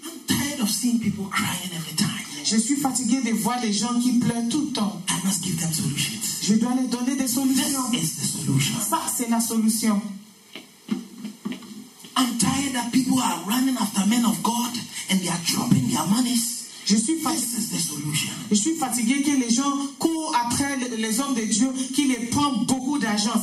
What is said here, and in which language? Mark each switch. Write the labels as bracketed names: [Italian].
[English] I'm tired of seeing people crying every time. [French] Je suis fatigué de voir les gens qui pleurent tout le temps. [English] I must give them solutions. [French] Je dois leur donner des solutions. [English] This is the solution. [French] Ça, c'est la solution. [English] I'm tired that people are running after men of God and they are dropping their monies. [French] Je suis fatigué que les gens courent après les hommes de Dieu qui les prennent beaucoup d'argent.